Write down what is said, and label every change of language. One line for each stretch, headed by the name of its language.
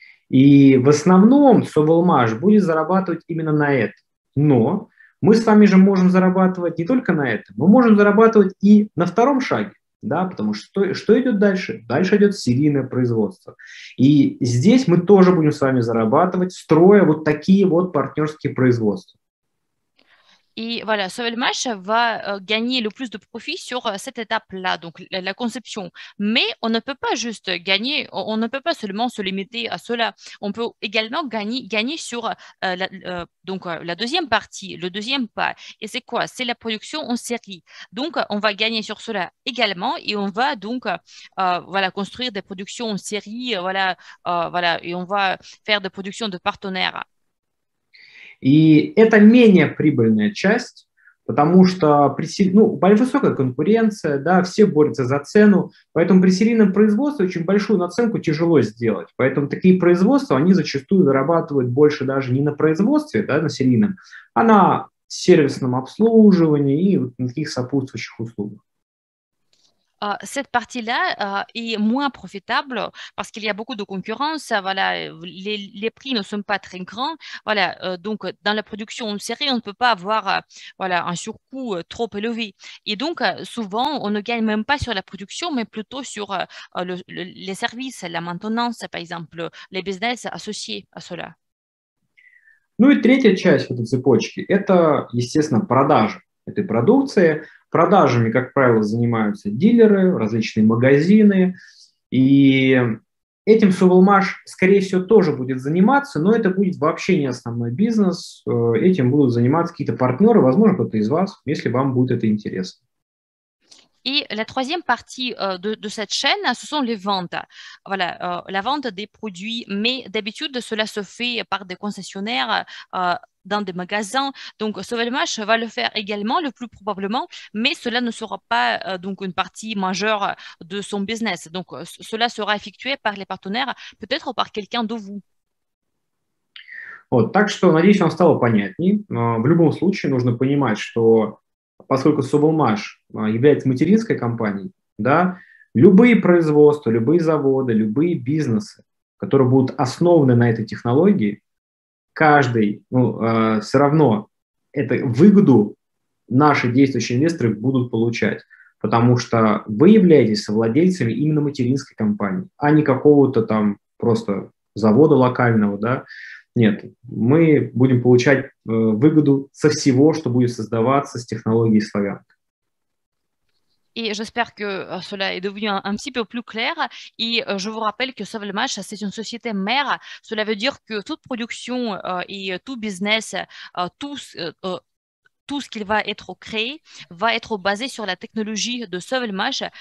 Russian: И в основном Совелмаш будет зарабатывать именно на это, но мы с вами же можем зарабатывать не только на этом, мы можем зарабатывать и на втором шаге, да, потому что что идет дальше? Дальше идет серийное производство. И здесь мы тоже будем с вами зарабатывать, строя вот такие вот партнерские производства.
French: Et voilà, Sauvelmash va gagner le plus de profit sur cette étape-là, donc la conception. Mais on ne peut pas juste gagner, on ne peut pas seulement se limiter à cela. On peut également gagner sur la deuxième partie, le deuxième pas. Et c'est quoi? C'est la production en série. Donc, on va gagner sur cela également et on va donc construire des productions en série, et on va faire des productions de partenaires.
Russian: И это менее прибыльная часть, потому что более высокая конкуренция, да, все борются за цену, поэтому при серийном производстве очень большую наценку тяжело сделать. Поэтому такие производства, они зачастую зарабатывают больше даже не на производстве, да, на серийном, а на сервисном обслуживании и вот на таких сопутствующих услугах.
French: Cette partie-là est moins profitable parce qu'il y a beaucoup de concurrence. Les prix ne sont pas très grands. Donc dans la production en série, on ne peut pas avoir un surcoût trop élevé. Et donc souvent, on ne gagne même pas sur la production, mais plutôt sur les services, la maintenance, par exemple, les business associés à cela.
Russian: Ну и третья часть этой цепочки – это, естественно, продажи этой продукции. Продажами, как правило, занимаются дилеры, различные магазины. И этим Sovelmash, скорее всего, тоже будет заниматься, но это будет вообще не основной бизнес. Этим будут заниматься какие-то партнеры, возможно, кто-то из вас, если вам будет это интересно.
French: Et la troisième partie de cette chaîne, ce sont les ventes. La vente des produits, mais d'habitude, cela se fait par des concessionnaires dans des magasins. Donc, Sauvelmash va le faire également, le plus probablement, mais cela ne sera pas donc une partie majeure de son business. Donc, cela sera effectué par les partenaires, peut-être par quelqu'un de vous.
Russian: Вот, так что, надеюсь, вам стало понятней. В любом случае, нужно понимать, что поскольку Sovelmash является материнской компанией, да, любые производства, любые заводы, любые бизнесы, которые будут основаны на этой технологии, каждый, все равно эту выгоду наши действующие инвесторы будут получать, потому что вы являетесь владельцами именно материнской компании, а не какого-то там просто завода локального, да. Нет, мы будем получать выгоду со всего, что будет создаваться с технологией Славянка.
French: Et j'espère que cela est devenu un petit peu plus clair. Et je vous rappelle que Sauvelmash, c'est une société mère. Cela veut dire que toute production et tout business, tout ce qui va être créé va être basé sur la technologie de Sauvelmash.